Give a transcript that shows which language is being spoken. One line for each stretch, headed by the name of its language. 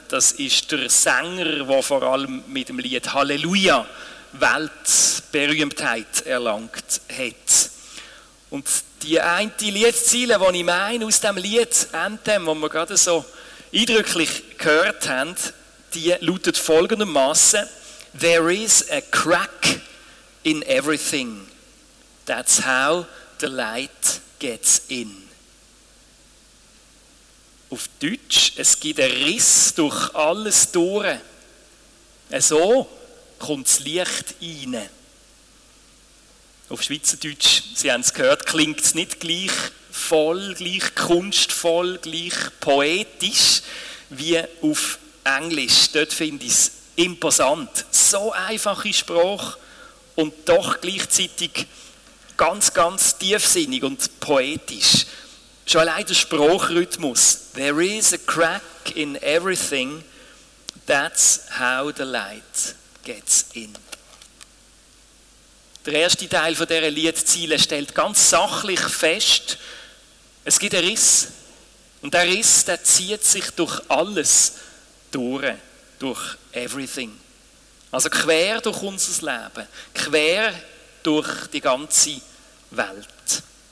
German: Das ist der Sänger, der vor allem mit dem Lied Halleluja Weltberühmtheit erlangt hat. Und die eine Liedzeile, die ich meine aus dem Lied Anthem, das wir gerade so eindrücklich gehört haben, die lautet folgendermaßen:
English: There is a crack in everything. That's how the light gets in.
German: Auf Deutsch, es gibt einen Riss durch alles durch. So kommt das Licht rein. Auf Schweizerdeutsch, Sie haben es gehört, klingt es nicht gleich voll, gleich kunstvoll, gleich poetisch wie auf Englisch. Dort finde ich es imposant. So einfache Sprache und doch gleichzeitig ganz, ganz tiefsinnig und poetisch. Schon allein der Sprachrhythmus.
English: There is a crack in everything, that's how the light gets in.
German: Der erste Teil dieser Liedzeile stellt ganz sachlich fest, es gibt einen Riss. Und der Riss, der zieht sich durch alles durch. Durch everything. Also quer durch unser Leben. Quer durch die ganze Welt.